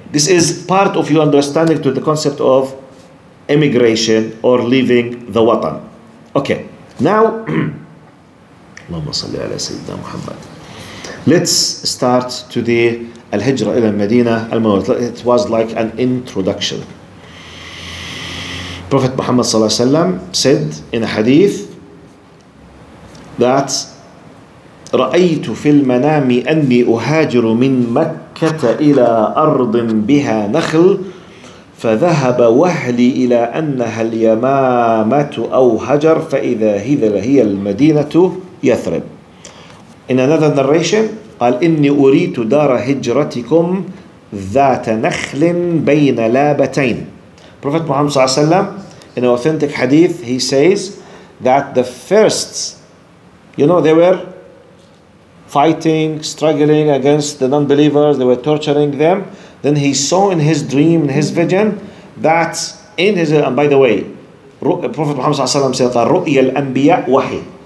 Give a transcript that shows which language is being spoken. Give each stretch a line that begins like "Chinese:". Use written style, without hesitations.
English: This is part of your understanding to the concept of immigration or leaving the watan. Okay, now, Allahumma salli ala Sayyidina Muhammad. Let's start to the Al-Hijrah ila Medina al-Mawt. It was like an introduction. Prophet Muhammad sallallahu alayhi wa sallam said in a hadith that
Arabic: رأيت في المنام أني أهاجر من مكة إلى أرض بها نخل فذهب وهلي إلى أنها اليمامة أو هجر فإذا هي المدينة يثرب.
English: In another narration,
Arabic: قال إني أريت دار هجرتكم ذات نخل بين لابتين.
English: Prophet Muhammad صلى الله عليه وسلم, in an authentic hadith, he says that the first, you know, they were fighting, struggling against the non-believers, they were torturing them. Then he saw in his dream, in his vision, that in his, and by the way, Prophet Muhammad ﷺ said,
Arabic: رُؤْيَ الْأَنْبِيَاءُ وَحِي.